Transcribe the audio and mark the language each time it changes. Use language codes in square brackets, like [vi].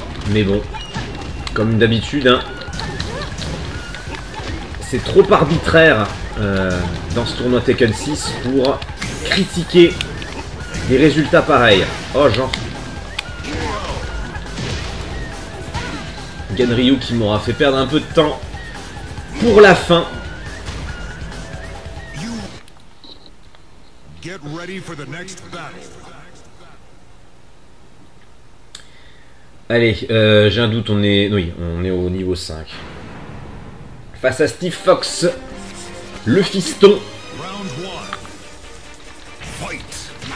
[fr] Mais bon, comme d'habitude, hein, c'est trop arbitraire dans ce tournoi Tekken 6 pour critiquer des résultats pareils. Oh, genre. Genryu qui m'aura fait perdre un peu de temps pour la fin. [en] Get ready for the next battle. [fr] Allez, j'ai un doute, on est au niveau 5. Face à Steve Fox, le fiston. [en] Round 1. Fight.